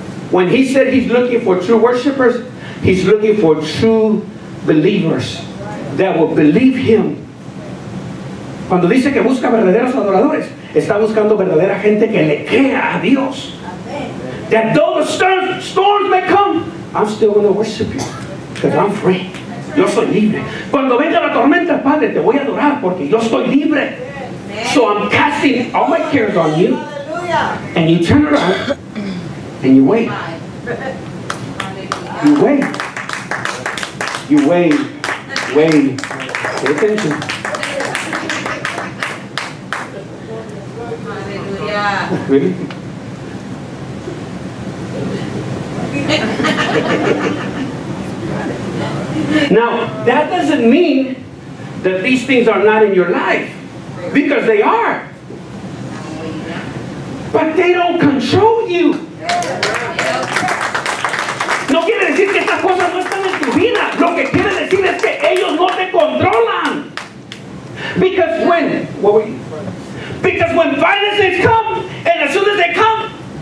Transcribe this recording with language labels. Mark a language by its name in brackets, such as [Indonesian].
[English] When He said He's looking for true worshipers, He's looking for true believers that will believe Him. [Spanish] Cuando dice que busca verdaderos adoradores, está buscando verdadera gente que le crea a Dios. [English] That though the storms may come, I'm still going to worship you. Because I'm free. [Spanish] Yo soy libre. Cuando venga la tormenta, Padre, te voy a adorar porque yo soy libre. [English] So I'm casting all my cares on you. And you turn around and you wait. You wait. You wait. Wait. Pay attention. Hallelujah. Really? Now, that doesn't mean that these things are not in your life, because they are. But they don't control you. [Spanish] No quiere decir que estas cosas no están en tu vida. Lo que quiere decir es que ellos no te controlan. [English] Because when, because when violence things come, and as soon as they come,